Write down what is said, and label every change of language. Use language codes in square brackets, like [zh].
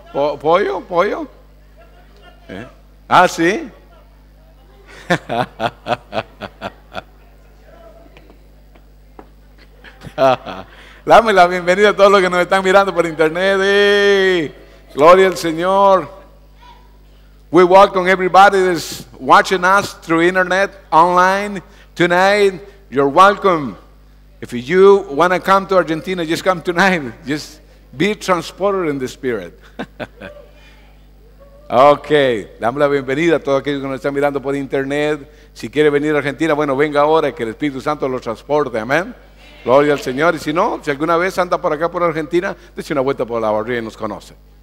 [es] ¿Pollo? ¿Eh? ¿Ah, sí? Dame la bienvenida a todos los que nos están mirando por internet. ¡Hey! Gloria al Señor. [en] We welcome everybody that's watching us through internet, online. Tonight, you're welcome. If you want to come to Argentina, just come tonight. Just be transported in the spirit. [es] Okay, damos la bienvenida a todos aquellos que nos están mirando por internet. Si quiere venir a Argentina, bueno, venga ahora que el Espíritu Santo lo transporte, amén. Gloria al Señor. Y si no, si alguna vez anda por acá por Argentina, dése una vuelta por la barriga y nos conoce.